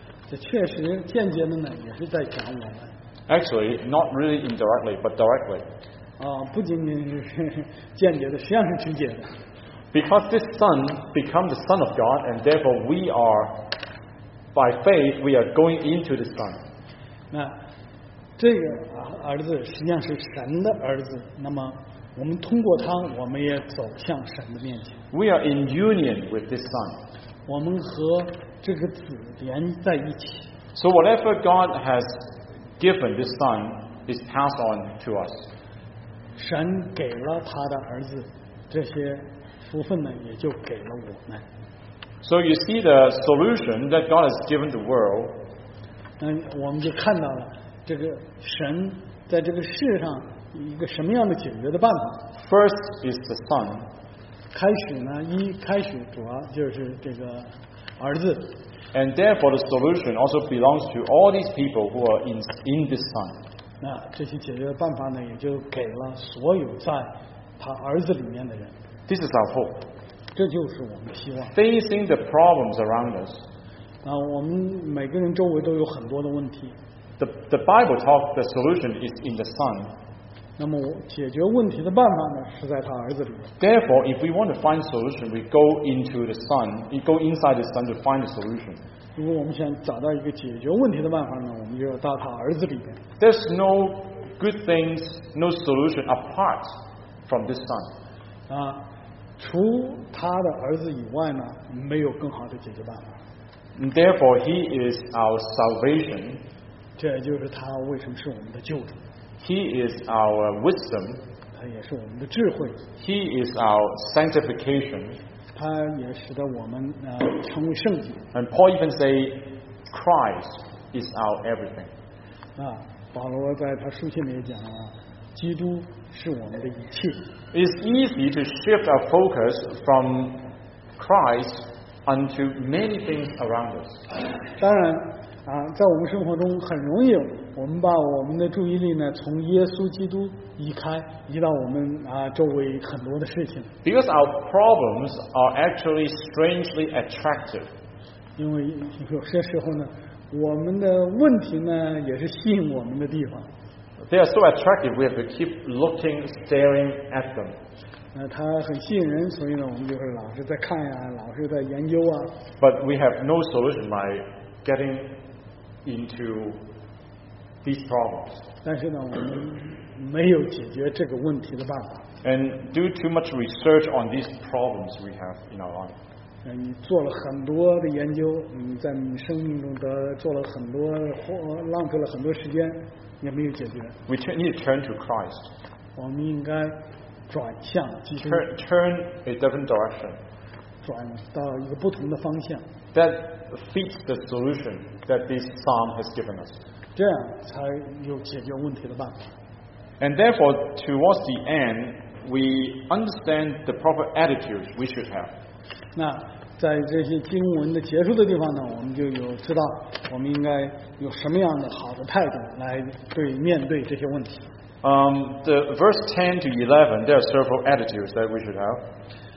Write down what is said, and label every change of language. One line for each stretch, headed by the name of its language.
Chinese: 这确实间接的呢，也是在讲我们。
English: Actually, not really indirectly, but directly.
Chinese: 不仅仅是间接的，实际上是直接的。
English: Because this son becomes the son of God, and therefore we are, by faith, we are going into the son.
Chinese: 那这个儿子实际上是神的儿子，那么我们通过他，我们也走向神的面前。
English: We are in union with this son.
Chinese: 我们和这个子连在一起。
English: So whatever God has given this son is passed on to us.
Chinese: 神给了他的儿子，这些福分呢，也就给了我们。
English: So you see the solution that God has given the world.
Chinese: 那我们就看到了这个神在这个世上一个什么样的解决的办法。
English: First is the son.
Chinese: 开始呢，一开始主要就是这个儿子。
English: And therefore, the solution also belongs to all these people who are in this son.
Chinese: 那这些解决的办法呢，也就给了所有在他儿子里面的人。
English: This is our hope.
Chinese: 这就是我们希望。
English: Facing the problems around us.
Chinese: 那我们每个人周围都有很多的问题。
English: The Bible talks the solution is in the son.
Chinese: 那么解决问题的办法呢，是在他儿子里面。
English: Therefore, if we want to find solution, we go into the Son, we go inside the Son to find the solution.
Chinese: 如果我们想找到一个解决问题的办法呢，我们就要到他儿子里面。
English: There's no good things, no solution apart from this Son.
Chinese: 除他的儿子以外呢，没有更好的解决办法。
English: Therefore, He is our salvation.
Chinese: 这就是他为什么是我们的救主。
English: He is our wisdom.
Chinese: 他也是我们的智慧。
English: He is our sanctification.
Chinese: 他也使得我们成为圣洁。
English: And Paul even say, Christ is our everything.
Chinese: 保罗在他书信里讲啊，基督是我们的一切。
English: It's easy to shift our focus from Christ onto many things around us.
Chinese: 当然在我们生活中很容易我们把我们的注意力呢从耶稣基督移到我们周围很多的事情。
English: Because our problems are actually strangely attractive.
Chinese: 因为有些时候呢我们的问题呢也是吸引我们的地方。
English: They are so attractive, we have to keep looking, staring at them.
Chinese: 它很吸引人，所以呢，我们就是老是在看呀，老是在研究啊。
English: But we have no solution by getting into these problems.
Chinese: 但是呢，我们没有解决这个问题的办法。
English: And do too much research on these problems we have in our life.
Chinese: 你做了很多的研究，你在你生命中得做了很多，浪费了很多时间，也没有解决。
English: We need to turn to Christ.
Chinese: 我们应该转向基督。
English: Turn a different direction.
Chinese: 转到一个不同的方向。
English: That fits the solution that this psalm has given us.
Chinese: 这样才有解决问题的办法。
English: And therefore, towards the end, we understand the proper attitude we should have.
Chinese: 那在这些经文的结束的地方呢，我们就有知道我们应该有什么样的好的态度来对面对这些问题。
English: The verse 10 to 11, there are several attitudes that we should have.